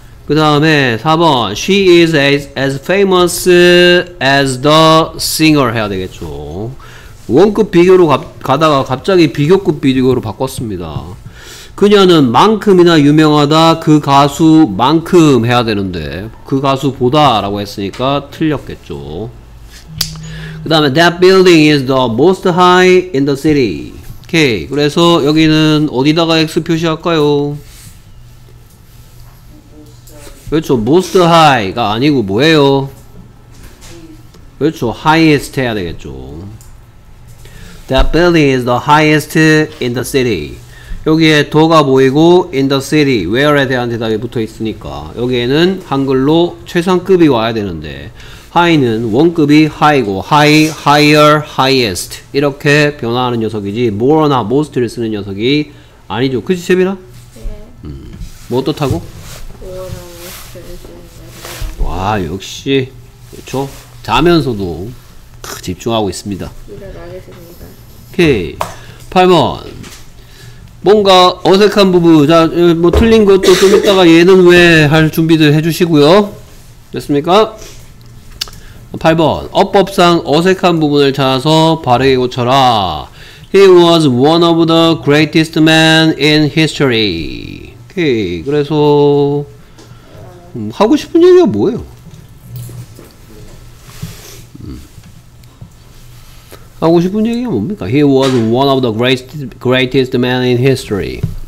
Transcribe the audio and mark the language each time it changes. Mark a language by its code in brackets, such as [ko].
[ko] 그 다음에 4번 [en] She is as famous as the singer [ko] 해야 되겠죠. 원급 비교로 가다가 갑자기 비교급 비교로 바꿨습니다. 그녀는 만큼이나 유명하다 그 가수만큼 해야 되는데 그 가수보다 라고 했으니까 틀렸겠죠. 그 다음에 [en] That building is the most high in the city. [ko] 오케이. 그래서 여기는 어디다가 X 표시할까요? 그렇죠. Most high가 아니고 뭐예요? 그렇죠. Highest 해야 되겠죠. [en] That building is the highest in the city. [ko] 여기에 더가 보이고 in the city, where에 대한 대답이 붙어 있으니까 여기에는 한글로 최상급이 와야 되는데 high는 원급이 high고 high, higher, highest 이렇게 변화하는 녀석이지 more나 most를 쓰는 녀석이 아니죠. 그치 세빈아? 네. 뭐 어떻다고? more나 most를 쓰는 녀석. 와 역시 그렇죠? 자면서도 크, 집중하고 있습니다. 일어나겠습니다. 오케이. 8번 뭔가 어색한 부분, 자, 뭐 틀린 것도 좀 있다가 얘는 왜 할 준비들 해주시고요. 됐습니까? 8번 어법상 어색한 부분을 찾아서 바르게 고쳐라. [en] He was one of the greatest men in history. [ko] 오케이. 그래서 하고 싶은 얘기가 뭐예요? 하고 싶은 얘기가 뭡니까? [en] He was one of the greatest men in history.